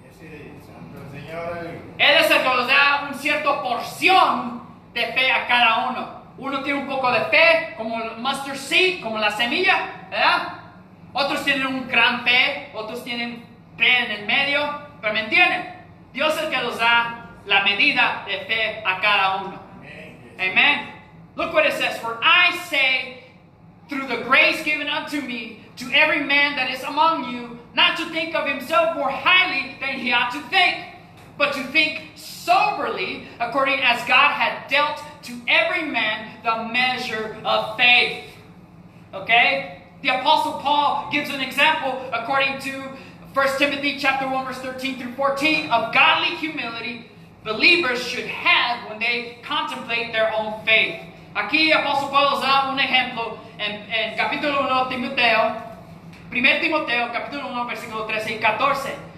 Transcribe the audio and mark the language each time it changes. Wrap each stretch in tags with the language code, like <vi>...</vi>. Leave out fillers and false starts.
<es>Él es el que nos da una cierta porción de fe a cada uno. Uno tiene un poco de fe, como el</es> <en>mustard seed,</en> <es>como la semilla, ¿verdad? Otros tienen un gran fe, otros tienen fe en el medio, pero ¿me entienden? Dios es el que nos da la medida de fe a cada uno.</es> <en>Amen. Look what it says. For I say, through the grace given unto me, to every man that is among you, not to think of himself more highly than he ought to think, but to think soberly, according as God had dealt to every man the measure of faith. Okay? The Apostle Paul gives an example, according to 1 Timothy chapter 1, verse 13 through 14, of godly humility believers should have when they contemplate their own faith.</en> <es>Aquí el Apostle Paul da un ejemplo en capítulo 1, Timoteo, 1 Timoteo, capítulo 1, versículo 13 y 14.</es>